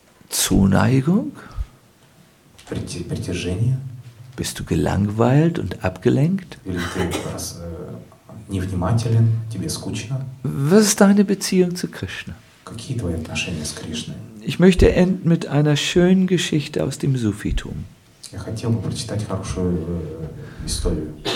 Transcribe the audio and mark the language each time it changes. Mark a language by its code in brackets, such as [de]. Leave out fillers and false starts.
[de] Zuneigung? [ru] Притяжение? [de] Bist du gelangweilt und abgelenkt? [ru] Или ты невнимателен, тебе скучно? [de] Was ist deine Beziehung zu Krishna? [ru] Какие твои отношения с Кришной? [de] Ich möchte enden mit einer schönen Geschichte aus dem Sufitum. [ru] Я хотел бы прочитать хорошую историю.